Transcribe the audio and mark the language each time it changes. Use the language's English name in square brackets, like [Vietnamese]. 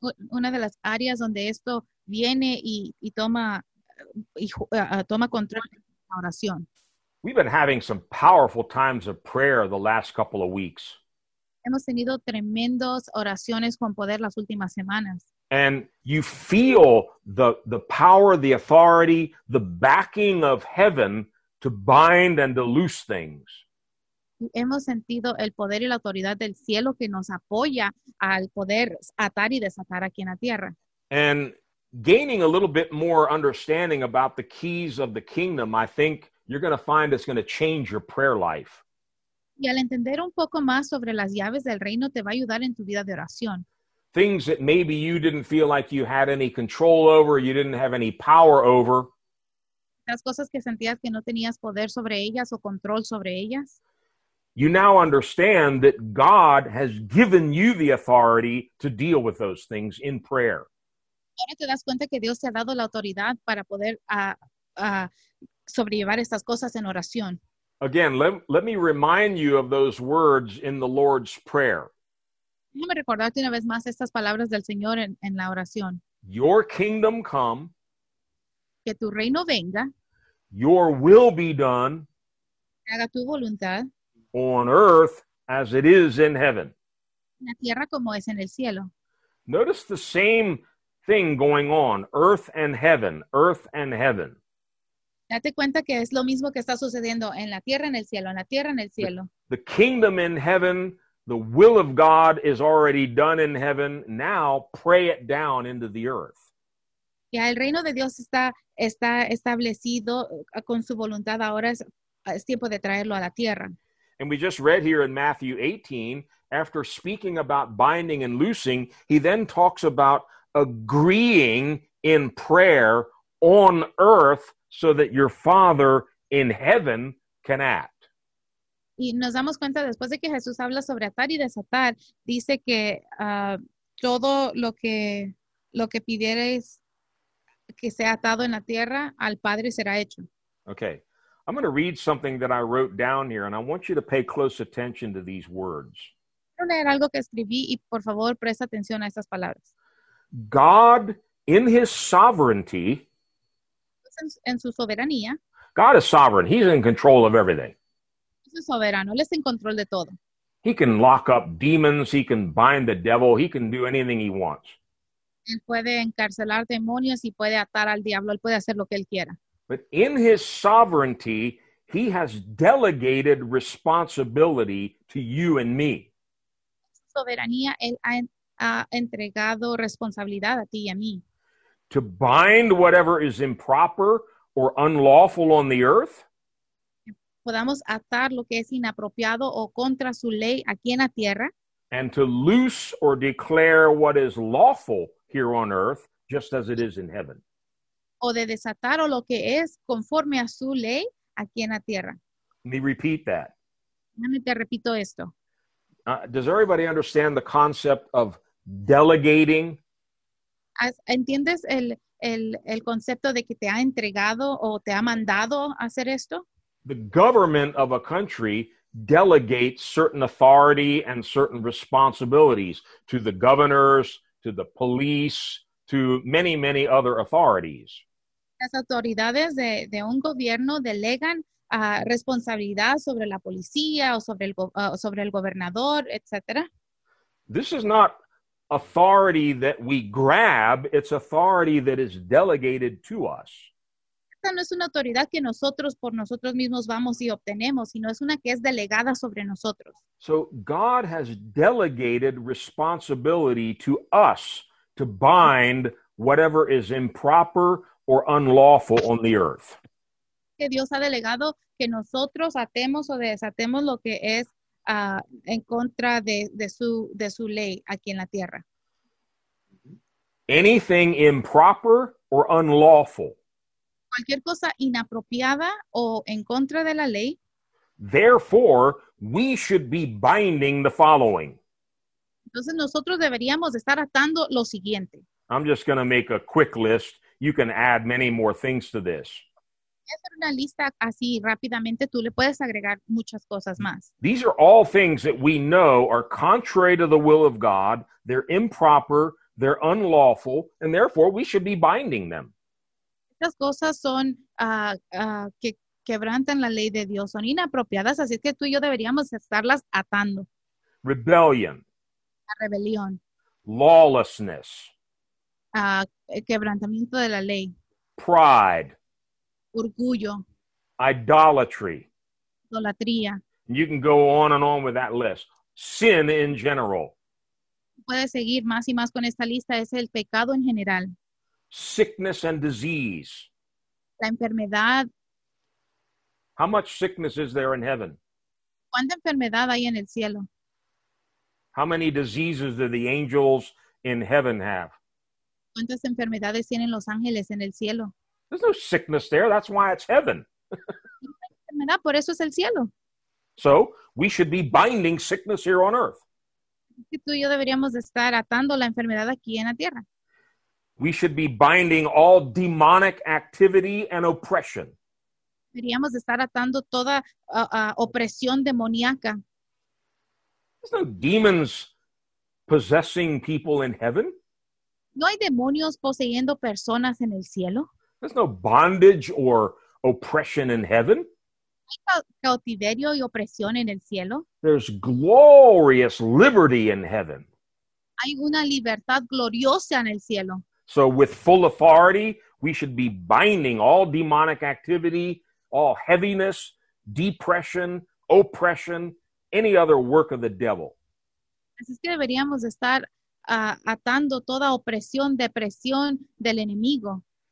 [Spanish] Una de las áreas donde esto viene y toma control es la oración. [English] We've been having some powerful times of prayer the last couple of weeks. [Spanish] Hemos tenido tremendas oraciones con poder las últimas semanas. [English] And you feel the power, the authority, the backing of heaven to bind and to loose things. [Spanish] Hemos sentido el poder y la autoridad del cielo que nos apoya al poder atar y desatar aquí en la tierra. [English] And gaining a little bit more understanding about the keys of the kingdom, I think you're going to find it's going to change your prayer life. [Spanish] Y al entender un poco más sobre las llaves del reino, te va a ayudar en tu vida de oración. [English] Things that maybe you didn't feel like you had any control over, you didn't have any power over. [Spanish] Las cosas que sentías que no tenías poder sobre ellas o control sobre ellas. [English] You now understand that God has given you the authority to deal with those things in prayer. [Spanish] Ahora te das cuenta que Dios te ha dado la autoridad para poder sobrellevar estas cosas en oración. [English] Again, let me remind you of those words in the Lord's Prayer. [Spanish] Déjame recordarte una vez más estas palabras del Señor en la oración. [English] Your kingdom come. [Spanish] Que tu reino venga. [English] Your will be done. [Spanish] Haga tu voluntad. [English] On earth as it is in heaven. [Spanish] En la tierra como es en el cielo. [English] Notice the same thing going on. Earth and heaven. Earth and heaven. [Spanish] Date cuenta que es lo mismo que está sucediendo en la tierra, en el cielo, en la tierra, en el cielo. [English] The kingdom in heaven, the will of God is already done in heaven. Now pray it down into the earth. [Spanish] Ya el reino de Dios está establecido con su voluntad. Ahora es tiempo de traerlo a la tierra. [English] And we just read here in Matthew 18, after speaking about binding and loosing, he then talks about agreeing in prayer on earth, so that your Father in heaven can act. [Spanish] Y nos damos cuenta después de que Jesús habla sobre atar y desatar, dice que todo lo que pidieres que sea atado en la tierra, al Padre será hecho. [English] Okay. I'm going to read something that I wrote down here, and I want you to pay close attention to these words. [Spanish] Quiero leer algo que escribí, y por favor, presta atención a estas palabras. [English] God, in his sovereignty, [Spanish] en su soberanía. [English] God is sovereign. He's in control of everything. [Spanish] Es soberano. Él está en control de todo. [English] He can lock up demons. He can bind the devil. He can do anything he wants. [Spanish] Él puede encarcelar demonios y puede atar al diablo. Él puede hacer lo que él quiera. [English] But in his sovereignty, he has delegated responsibility to you and me. [Spanish] En su soberanía, él ha entregado responsabilidad a ti y a mí. [English] To bind whatever is improper or unlawful on the earth. [Spanish] Podamos atar lo que es inapropiado o contra su ley aquí en la tierra. [English] And to loose or declare what is lawful here on earth, just as it is in heaven. [Spanish] O de desatar o lo que es conforme a su ley aquí en la tierra. [English] Let me repeat that. [Spanish] Déjame te repito esto. [English] Does everybody understand the concept of delegating? [Spanish] ¿Entiendes el concepto de que te ha entregado o te ha mandado hacer esto? [English] The government of a country delegates certain authority and certain responsibilities to the governors, to the police, to many, many other authorities. [Spanish] Las autoridades de un gobierno delegan responsabilidad sobre la policía o sobre el gobernador, etc. [English] This is not authority that we grab, it's authority that is delegated to us. [Spanish] Esta no es una autoridad que nosotros por nosotros mismos vamos y obtenemos, sino es una que es delegada sobre nosotros. [English] So God has delegated responsibility to us to bind whatever is improper or unlawful on the earth. [Spanish] Que Dios ha delegado que nosotros atemos o desatemos lo que es en contra de su ley aquí en la tierra. [English] Anything improper or unlawful. [Spanish] Cualquier cosa inapropiada o en contra de la ley. [English] Therefore, we should be binding the following. [Spanish] Entonces nosotros deberíamos estar atando lo siguiente. [English] I'm just going to make a quick list. You can add many more things to this. [Spanish] Voy a hacer una lista así rápidamente. Tú le puedes agregar muchas cosas más. [English] These are all things that we know are contrary to the will of God. They're improper. They're unlawful. And therefore, we should be binding them. [Spanish] Estas cosas son que quebrantan la ley de Dios. Son inapropiadas. Así que tú y yo deberíamos estarlas atando. [English] Rebellion. [Spanish] La rebelión. [English] Lawlessness. [Spanish] El quebrantamiento de la ley. [English] Pride. [Spanish] Orgullo. [English] Idolatry. [Spanish] Idolatría. [English] You can go on and on with that list. Sin in general. [Spanish] Puede seguir más y más con esta lista. Es el pecado en general. [English] Sickness and disease. [Spanish] La enfermedad. [English] How much sickness is there in heaven? [Spanish] ¿Cuánta enfermedad hay en el cielo? [English] How many diseases do the angels in heaven have? [Spanish] ¿Cuántas enfermedades tienen los ángeles en el cielo? [English] There's no sickness there. That's why it's heaven. [Spanish] Por eso es el cielo. [English] So we should be binding sickness here on earth. [Spanish] Tú y yo deberíamos estar atando la enfermedad aquí en la tierra. [English] We should be binding all demonic activity and oppression. [Spanish] Deberíamos estar atando toda opresión demoníaca. [English] There's no demons possessing people in heaven. [Spanish] ¿No hay demonios poseyendo personas en el cielo? [English] There's no bondage or oppression in heaven. [Spanish] ¿No hay cautiverio y opresión en el cielo? [English] There's glorious liberty in heaven. [Spanish] Hay una libertad gloriosa en el cielo. [English] So with full authority, we should be binding all demonic activity, all heaviness, depression, oppression, any other work of the devil. [Spanish] Así es que deberíamos estar atando toda opresión, depresión del enemigo.